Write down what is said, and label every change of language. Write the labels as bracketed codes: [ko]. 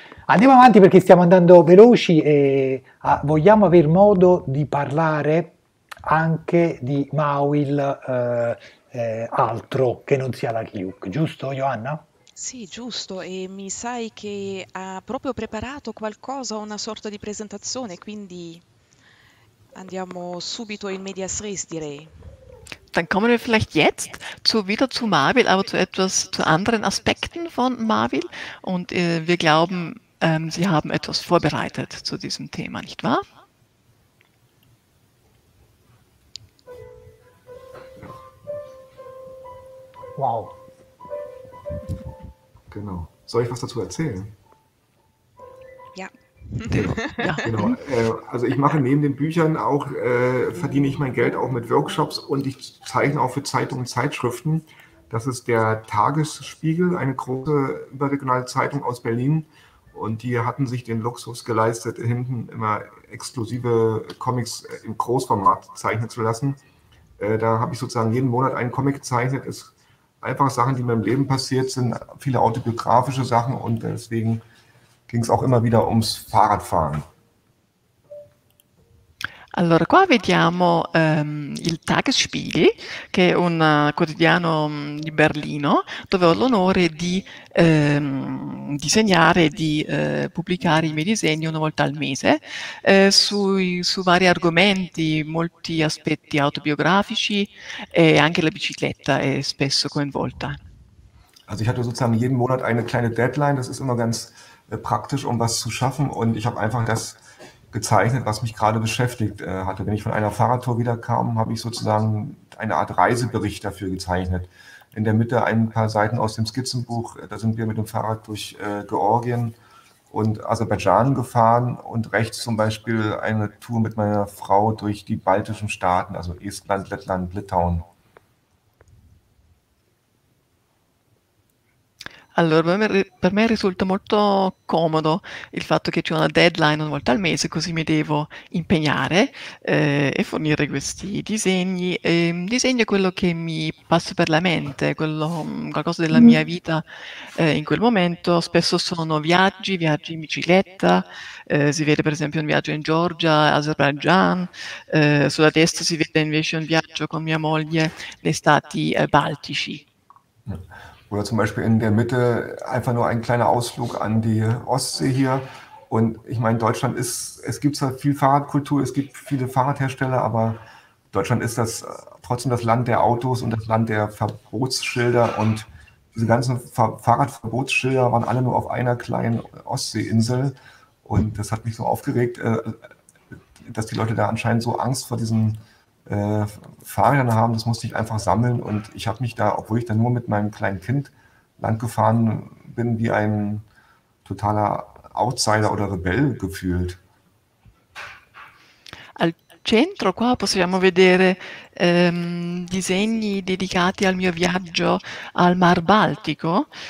[it] Andiamo avanti perché stiamo andando veloci e vogliamo aver modo di parlare anche di Mauil altro che non sia la Kiuk, giusto Ioanna? Sì, giusto, e mi sai che ha proprio preparato qualcosa, una sorta di presentazione, quindi... Andiamo subito in medias res, direi. [de] Dann kommen wir vielleicht jetzt wieder zu Mauil, aber zu anderen Aspekten von Mauil. Und wir glauben, Sie haben etwas vorbereitet zu diesem Thema, nicht wahr? Wow. Genau. Soll ich was dazu erzählen? Ja. Genau. Also ich mache neben den Büchern auch, verdiene ich mein Geld auch mit Workshops und ich zeichne auch für Zeitungen und Zeitschriften. Das ist der Tagesspiegel, eine große überregionale Zeitung aus Berlin und die hatten sich den Luxus geleistet, hinten immer exklusive Comics im Großformat zeichnen zu lassen. Da habe ich sozusagen jeden Monat einen Comic gezeichnet. Es sind einfach Sachen, die in meinem Leben passiert sind, viele autobiografische Sachen und deswegen... ging es auch immer wieder ums Fahrradfahren. [it] Allora, qua vediamo il Tagesspiegel, che è un quotidiano di Berlino, dove ho l'onore di disegnare e di pubblicare i miei disegni una volta al mese, su vari argomenti, molti aspetti autobiografici e anche la bicicletta è spesso coinvolta. [de] Also ich hatte sozusagen jeden Monat eine kleine Deadline, das ist immer ganz... praktisch, um was zu schaffen. Und ich habe einfach das gezeichnet, was mich gerade beschäftigt hatte. Wenn ich von einer Fahrradtour wiederkam, habe ich sozusagen eine Art Reisebericht dafür gezeichnet. In der Mitte ein paar Seiten aus dem Skizzenbuch. Da sind wir mit dem Fahrrad durch Georgien und Aserbaidschan gefahren. Und rechts zum Beispiel eine Tour mit meiner Frau durch die baltischen Staaten, also Estland, Lettland, Litauen. [it] Allora, per me risulta molto comodo il fatto che c'è una deadline una volta al mese, così mi devo impegnare e fornire questi disegni. Disegno è quello che mi passa per la mente, qualcosa della mia vita in quel momento. Spesso sono viaggi in bicicletta, si vede per esempio un viaggio in Georgia, Azerbaijan, sulla destra si vede invece un viaggio con mia moglie nei Stati Baltici. [de] Oder zum Beispiel in der Mitte einfach nur ein kleiner Ausflug an die Ostsee hier. Und ich meine, Deutschland ist, es gibt zwar viel Fahrradkultur, es gibt viele Fahrradhersteller, aber Deutschland ist das trotzdem das Land der Autos und das Land der Verbotsschilder. Und diese ganzen Fahrradverbotsschilder waren alle nur auf einer kleinen Ostseeinsel. Und das hat mich so aufgeregt, dass die Leute da anscheinend so Angst vor diesen Fahrrädern haben, das musste ich einfach sammeln und ich habe mich da, obwohl ich da nur mit meinem kleinen Kind lang gefahren bin, wie ein totaler Outsider oder Rebell gefühlt. [it] Al centro qua possiamo vedere disegni dedicati al mio viaggio al Mar Baltico.